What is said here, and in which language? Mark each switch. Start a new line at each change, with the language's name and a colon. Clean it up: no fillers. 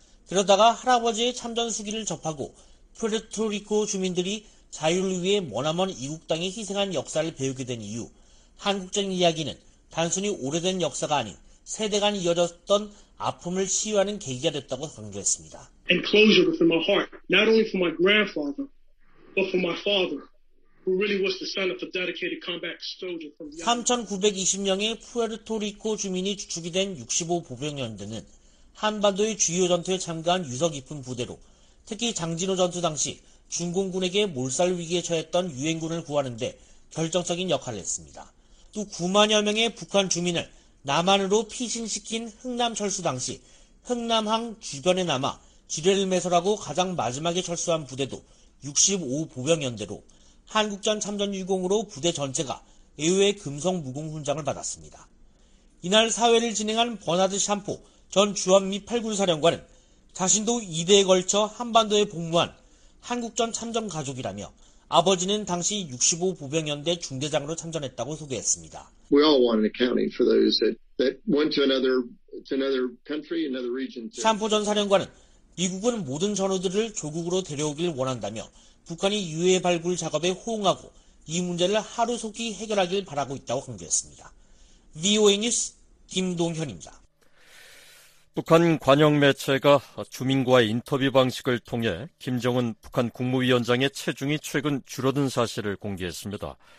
Korean: 그러다가 할아버지의 참전 수기를 접하고 푸에르토리코 주민들이 자유를 위해 머나먼 이국 땅에 희생한 역사를 배우게 된 이후 한국전 이야기는 단순히 오래된 역사가 아닌 세대간 이어졌던 아픔을 치유하는 계기가 됐다고 강조했습니다.
English: And closure within my heart, not only for my grandfather, but for my father, who really was the son of a dedicated combat soldier from the
Korean: 3,920명의 푸에르토리코 주민이 주축이 된 65 보병연대는 한반도의 주요 전투에 참가한 유서 깊은 부대로 특히 장진호 전투 당시 중공군에게 몰살 위기에 처했던 유엔군을 구하는데 결정적인 역할을 했습니다. 또 9만여 명의 북한 주민을 남한으로 피신시킨 흑남 철수 당시 흑남항 주변에 남아 지뢰를 매설하고 가장 마지막에 철수한 부대도 65 보병연대로 한국전 참전 유공으로 부대 전체가 애호의 금성 무공 훈장을 받았습니다. 이날 사회를 진행한 버나드 샴포 전 주한미 8군 사령관은 자신도 이대에 걸쳐 한반도에 복무한 한국전 참전 가족이라며 아버지는 당시 65 보병연대 중대장으로 참전했다고 소개했습니다.
English: We all want an accounting for those that went to another country, another region.
Korean: 샴포 전 사령관은 미국은 모든 전우들을 조국으로 데려오길 원한다며 북한이 유해 발굴 작업에 호응하고 이 문제를 하루속히 해결하길 바라고 있다고 강조했습니다. VOA 뉴스 김동현입니다. 북한 관영 매체가 주민과의 인터뷰 방식을 통해 김정은 북한 국무위원장의 체중이 최근 줄어든 사실을 공개했습니다.